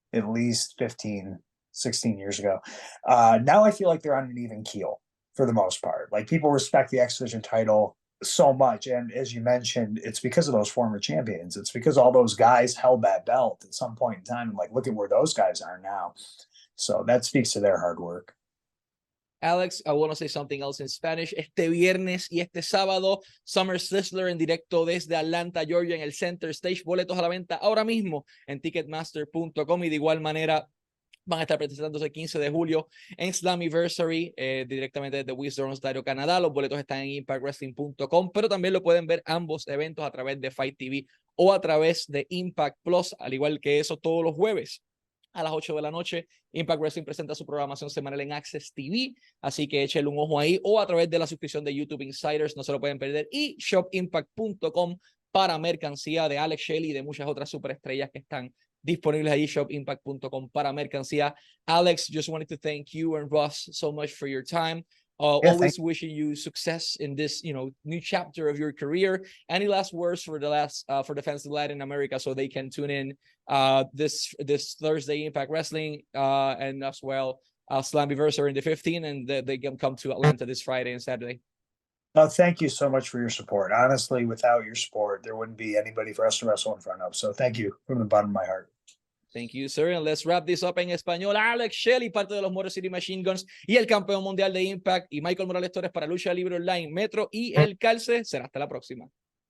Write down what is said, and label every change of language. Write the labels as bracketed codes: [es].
[en] At least 15, 16 years ago. Now I feel like they're on an even keel for the most part. Like, people respect the X Division title so much. And as you mentioned, it's because of those former champions. It's because all those guys held that belt at some point in time. Like, look at where those guys are now. So that speaks to their hard work. Alex, I want to say something else in Spanish. [es] Este viernes y este sábado, Summer Sizzler en directo desde Atlanta, Georgia, en el Center Stage. Boletos a la venta ahora mismo en Ticketmaster.com. Y de igual manera, van a estar presentándose el 15 de julio en Slammiversary, directamente desde Windsor, Ontario, Canadá. Los boletos están en ImpactWrestling.com, pero también lo pueden ver ambos eventos a través de Fight TV o a través de Impact Plus, al igual que eso todos los jueves. A las 8 de la noche, Impact Wrestling presenta su programación semanal en Access TV, así que échenle un ojo ahí, o a través de la suscripción de YouTube Insiders, no se lo pueden perder, y shopimpact.com para mercancía de Alex Shelley y de muchas otras superestrellas que están disponibles ahí, shopimpact.com para mercancía. [en] Alex, just wanted to thank you and Ross so much for your time. Wishing you success in this, you know, new chapter of your career. Any last words for the fans of Latin America so they can tune in this Thursday, Impact Wrestling, and as well, Slammiversary in the 15th, and they can come to Atlanta this Friday and Saturday? Well, thank you so much for your support. Honestly, without your support, there wouldn't be anybody for us to wrestle in front of. So thank you from the bottom of my heart. Thank you, sir. And let's wrap this up in español. [es] Alex Shelley, parte de los Motor City Machine Guns y el campeón mundial de Impact, y Michael Morales Torres para Lucha Libre Online, Metro y El Calce. Será hasta la próxima.